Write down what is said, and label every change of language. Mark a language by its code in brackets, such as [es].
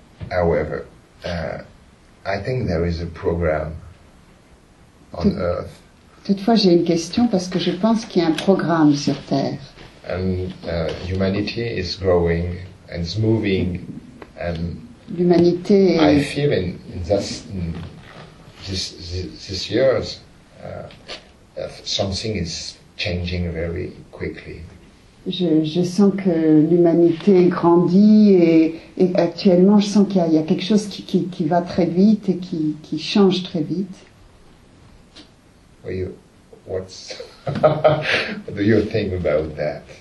[en] However, I think there is a program on Earth. [fr] Toutefois, j'ai une question parce que je pense qu'il y a un programme sur Terre. [en] And humanity is growing and is moving. And [fr] l'humanité. [en] I feel in this years something is changing very quickly. [fr] Je sens que l'humanité grandit et actuellement je sens qu'il y a quelque chose qui va très vite et qui change très vite. [en] What do you think about that?